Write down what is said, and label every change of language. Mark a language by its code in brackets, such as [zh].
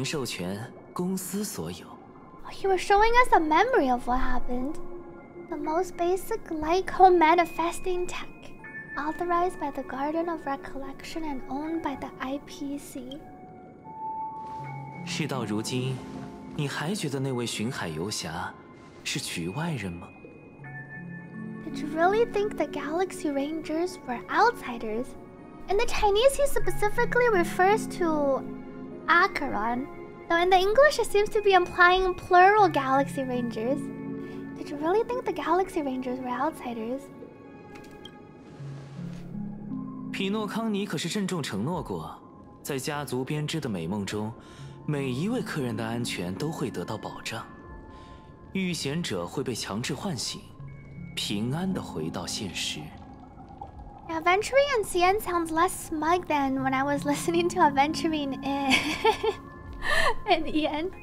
[zh] 这里也不是案发地。我为你展现的是一段记忆。最简单的光追呈现技术,一庭授权,公司所有。 [en] He was showing us a memory of what happened. The most basic Lycoma manifesting tech, authorized by the Garden of Recollection and owned by the IPC. [zh] 事到如今,你还觉得那位巡海游侠是局外人吗? [en] Did you really think the Galaxy Rangers were outsiders? In the Chinese, he specifically refers to acheron, though in the English, it seems to be implying plural Galaxy Rangers. Did you really think the Galaxy Rangers were outsiders? [zh] 匹诺康尼可是郑重承诺过, 在家族编织的美梦中, 每一位客人的安全都会得到保障, 遇险者会被强制唤醒, 平安地回到现实。 [en] Aventurine in CN sounds less smug than when I was listening to Aventurine in EN.